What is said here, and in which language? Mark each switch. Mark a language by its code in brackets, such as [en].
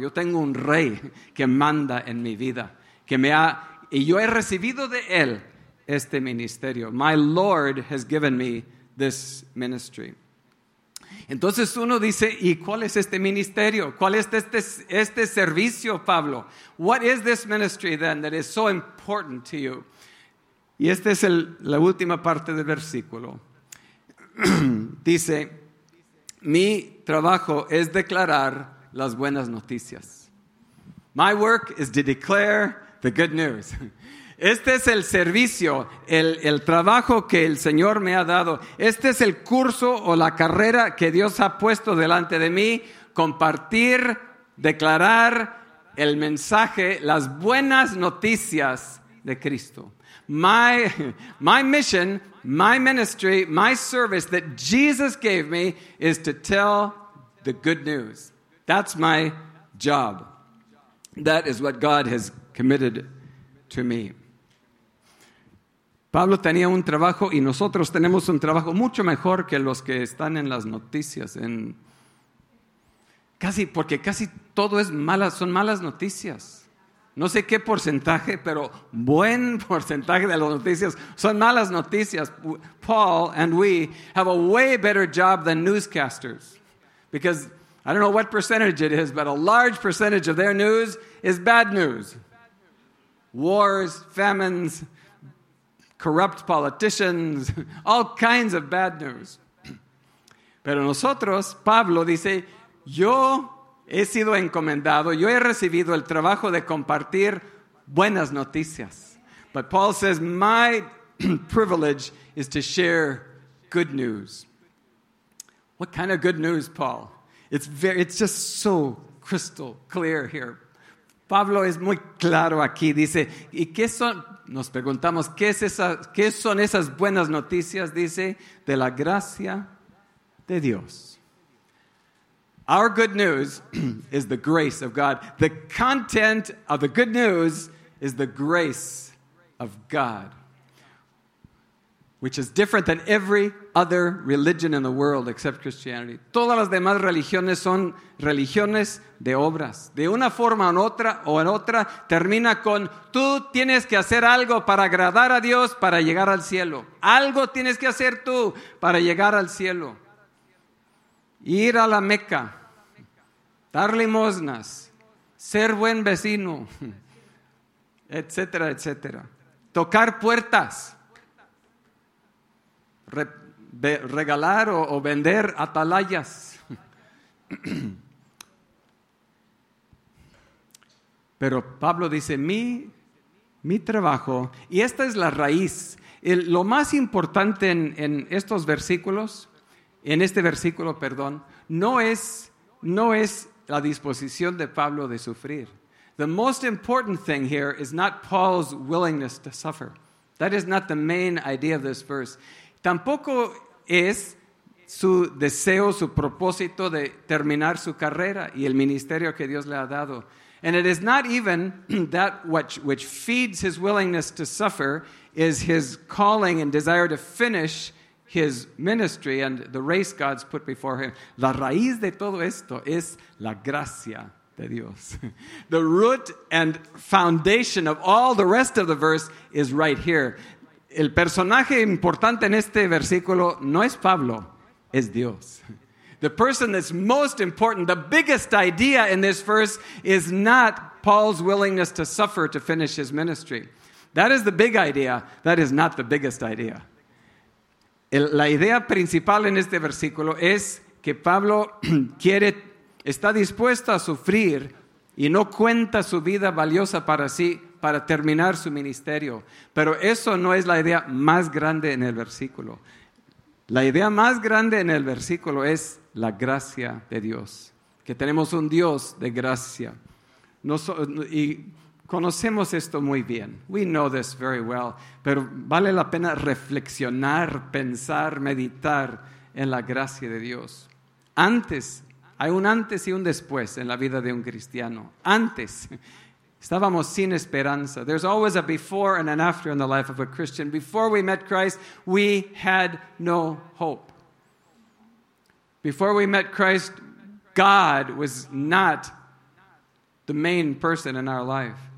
[es] Yo tengo un Rey que manda en mi vida. Que me ha, y yo he recibido de Él. Este ministerio. [en] My Lord has given me this ministry. [es] Entonces uno dice, ¿y cuál es este ministerio? ¿Cuál es este servicio, Pablo? [en] What is this ministry then that is so important to you? [es] Y esta es la última parte del versículo. Dice, mi trabajo es declarar las buenas noticias. [en] My work is to declare the good news. [es] Este es el servicio, el trabajo que el Señor me ha dado. Este es el curso o la carrera que Dios ha puesto delante de mí. Compartir, declarar el mensaje, las buenas noticias de Cristo. [en] My mission, my ministry, my service that Jesus gave me is to tell the good news. That's my job. That is what God has committed to me. [es] Pablo tenía un trabajo y nosotros tenemos un trabajo mucho mejor que los que están en las noticias. Porque casi todo es malas, son malas noticias. No sé qué porcentaje, pero buen porcentaje de las noticias son malas noticias. [en] Paul and we have a way better job than newscasters. Because I don't know what percentage it is, but a large percentage of their news is bad news. Wars, famines, corrupt politicians, all kinds of bad news. [es] Pero nosotros, Pablo dice, yo he sido encomendado, yo he recibido el trabajo de compartir buenas noticias. [en] But Paul says, my privilege is to share good news. What kind of good news, Paul? It's just so crystal clear here. [es] Pablo es muy claro aquí, dice, ¿y qué son? Nos preguntamos, ¿qué son esas buenas noticias? Dice, de la gracia de Dios. [en] Our good news is the grace of God. The content of the good news is the grace of God, which is different than every other religion in the world except Christianity. [es] Todas las demás religiones son religiones de obras. De una forma o en otra, termina con tú tienes que hacer algo para agradar a Dios para llegar al cielo. Algo tienes que hacer tú para llegar al cielo. Ir a la Meca, dar limosnas, ser buen vecino, etcétera, etcétera. Tocar puertas, regalar o vender atalayas. Pero Pablo dice, mi trabajo, y esta es la raíz. Lo más importante en estos versículos, en este versículo, perdón, no es la disposición de Pablo de sufrir. [en] The most important thing here is not Paul's willingness to suffer. That is not the main idea of this verse. [es] Tampoco es su deseo, su propósito de terminar su carrera y el ministerio que Dios le ha dado. [en] And it is not even that which feeds his willingness to suffer is his calling and desire to finish his ministry and the race God's put before him. [es] La raíz de todo esto es la gracia de Dios. [en] The root and foundation of all the rest of the verse is right here. [es] El personaje importante en este versículo no es Pablo, es Dios. [en] The person that's most important, the biggest idea in this verse is not Paul's willingness to suffer to finish his ministry. That is the big idea. That is not the biggest idea. [es] La idea principal en este versículo es que Pablo quiere, está dispuesto a sufrir y no cuenta su vida valiosa para sí, para terminar su ministerio. Pero eso no es la idea más grande en el versículo. La idea más grande en el versículo es la gracia de Dios, que tenemos un Dios de gracia. Y conocemos esto muy bien. [en] We know this very well. [es] Pero vale la pena reflexionar, pensar, meditar en la gracia de Dios. Antes, hay un antes y un después en la vida de un cristiano. Antes, estábamos sin esperanza. [en] There's always a before and an after in the life of a Christian. Before we met Christ, we had no hope. Before we met Christ, God was not the main person in our life.